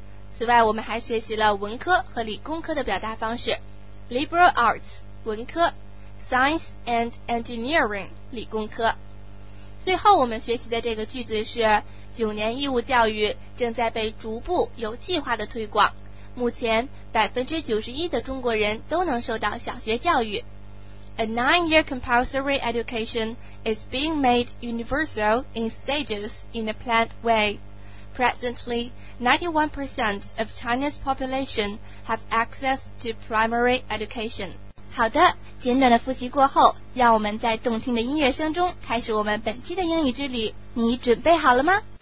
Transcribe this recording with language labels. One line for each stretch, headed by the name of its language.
Chinese: 此外我们还学习了文科和理工科的表达方式 liberal arts 文科， science and engineering 理工科。最后我们学习的这个句子是九年义务教育正在被逐步有计划的推广，目前 91% 的中国人都能受到小学教育。
English: A nine-year compulsory education is being made universal in stages in a planned way. Presently, 91% of China's population have access to primary education.
Chinese: 好的，简短的复习过后，让我们在动听的音乐声中开始我们本期的英语之旅，你准备好了吗？